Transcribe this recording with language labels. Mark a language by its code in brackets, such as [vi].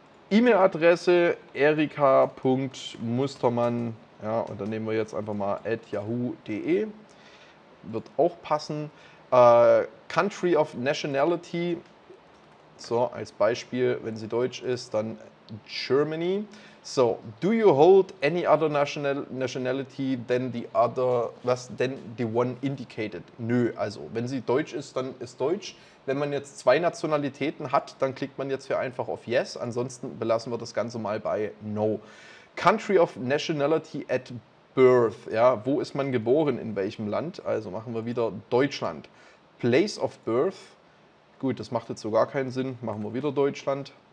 [de] E-Mail-Adresse erika.mustermann, ja, und dann nehmen wir jetzt einfach mal @yahoo.de. Wird auch passen. [en] Country of Nationality, [de] so als Beispiel, wenn sie deutsch ist, dann Germany. [en] So, do you hold any other nationality than the other, [de] was, [en] than the one indicated? [de] Nö, also, wenn sie deutsch ist, dann ist deutsch. Wenn man jetzt zwei Nationalitäten hat, dann klickt man jetzt hier einfach auf Yes. Ansonsten belassen wir das Ganze mal bei No. [en] Country of Nationality at Birth, [de] ja, wo ist man geboren, in welchem Land? Also machen wir wieder Deutschland. [en] Place of Birth, [de] gut, das macht jetzt so gar keinen Sinn, machen wir wieder Deutschland.